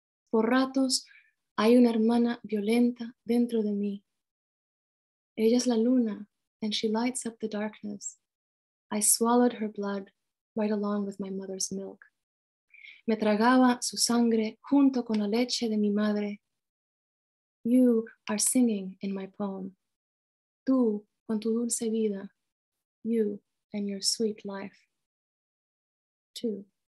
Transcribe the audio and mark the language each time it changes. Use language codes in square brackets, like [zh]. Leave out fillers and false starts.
[es] Por ratos, hay una hermana violenta dentro de mí. Ella es la luna, [en] and she lights up the darkness. I swallowed her blood right along with my mother's milk. [es] Me tragaba su sangre junto con la leche de mi madre. [en] You are singing in my poem. [es] Tú, con tu dulce vida, [en] you and your sweet life. Two.